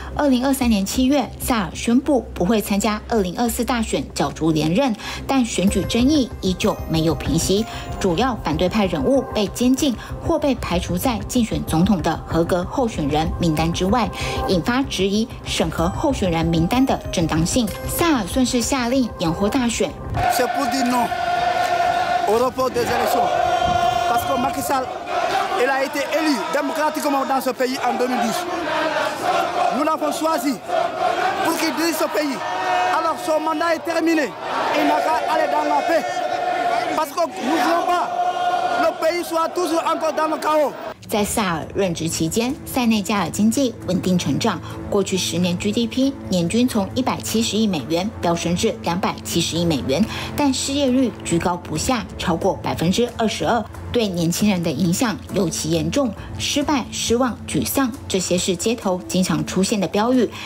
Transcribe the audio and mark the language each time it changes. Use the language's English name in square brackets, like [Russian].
[Chinese] 2023年7月，萨尔宣布不会参加2024大选角逐连任，但选举争议依旧没有平息，主要反对派人物被监禁或被排除在竞选总统的合格候选人名单之外，引发质疑审核候选人名单的正当性。萨尔顺势下令延后大选。 [French] C'est pour dire non au report des élections, parce que Macky Sall, il a été élu démocratiquement dans ce pays en 2010. Nous l'avons choisi pour qu'il dirige ce pays. Alors son mandat est terminé. Il n'a qu'à aller dans la paix, parce que nous ne voulons pas le pays soit toujours encore dans le chaos. [Chinese] 在萨尔任职期间，塞内加尔经济稳定成长，过去十年 GDP 年均从170亿美元飙升至270亿美元，但失业率居高不下，超过 22%， 对年轻人的影响尤其严重，失败、失望、沮丧，这些是街头经常出现的标语。